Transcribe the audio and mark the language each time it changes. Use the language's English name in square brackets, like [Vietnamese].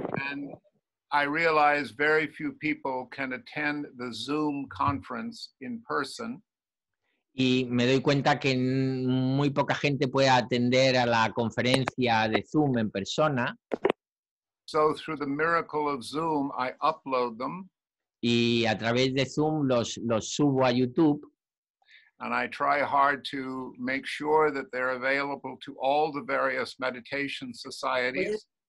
[English] And I realize very few people can attend the Zoom conference in person. [Spanish] Y me doy cuenta que muy poca gente puede atender a la conferencia de Zoom en persona. [English] So through the miracle of Zoom, I upload them. [Spanish] Y a través de Zoom los subo a YouTube. [English] And I try hard to make sure that they're available to all the various meditation societies.